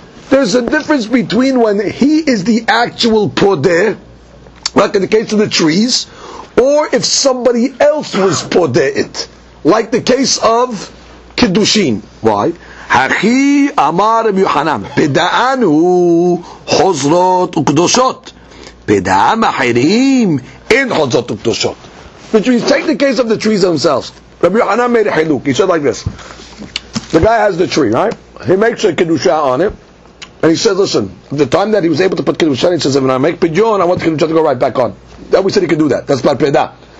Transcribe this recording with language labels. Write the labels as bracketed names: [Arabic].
[English] There's a difference between when he is the actual podeh, like in the case of the trees, or if somebody else was podeh it, like the case of kedushin. Why? [Hebrew] הכי אמר רבי יוחנן, פדען הוא חוזרות וקדושות. פדען אחרים אין חוזרות וקדושות. [English] Which means, take the case of the trees themselves. Rabbi Yochanan made a chiluk. He said like this. The guy has the tree, right? He makes a kedusha on it. And he says, listen, the time that he was able to put kedusha on it, he says, when I make pidyon, I want the kedusha to go right back on. That we said he could do that. That's not pidyon.